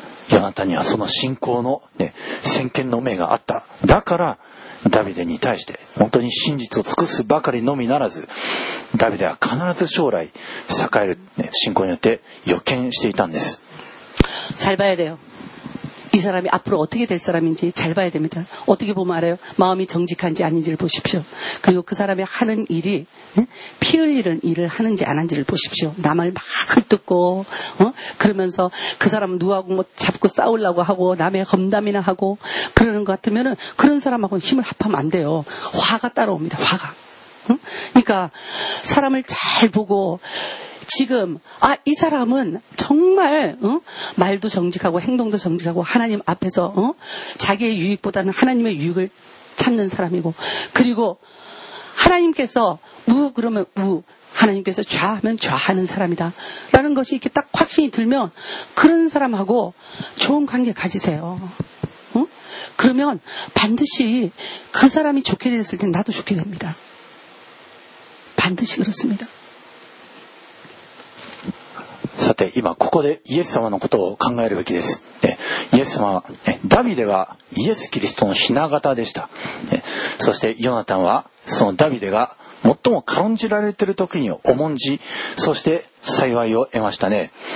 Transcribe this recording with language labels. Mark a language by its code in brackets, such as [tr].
[ja] ヨナタンにはその信仰の、ね、先見の明があった。だからダビデに対して本当に真実を尽くすばかりのみならず、ダビデは必ず将来栄える、ね、信仰によって予見していたんです。 [ko] 잘 봐야 돼요. 이 사람이 앞으로 어떻게 될 사람인지 잘 봐야 됩니다. 어떻게 보면 알아요? 마음이 정직한지 아닌지를 보십시오. 그리고 그 사람이 하는 일이 피 흘리는 일을 하는지 안 하는지를 보십시오. 남을 막 헐뜯고 그러면서 그 사람 누구하고 뭐 잡고 싸우려고 하고 남의 험담이나 하고 그러는 것 같으면 그런 사람하고는 힘을 합하면 안 돼요. 화가 따라옵니다. 화가. 그러니까 사람을 잘 보고 지금 아, 이 사람은 정말 말도 정직하고 행동도 정직하고 하나님 앞에서 자기의 유익보다는 하나님의 유익을 찾는 사람이고, 그리고 하나님께서 우 그러면 우, 하나님께서 좌하면 좌하는 사람이다 라는 것이 이렇게 딱 확신이 들면 그런 사람하고 좋은 관계 가지세요. 그러면 반드시 그 사람이 좋게 됐을 땐 나도 좋게 됩니다. 반드시 그렇습니다. [ja] さて今ここでイエス様のことを考えるべきです。でイエス様は、ね、ダビデはイエスキリストの雛形でした。でそしてヨナタンはそのダビデが最も軽んじられている時に重んじ、そして幸いを得ましたね。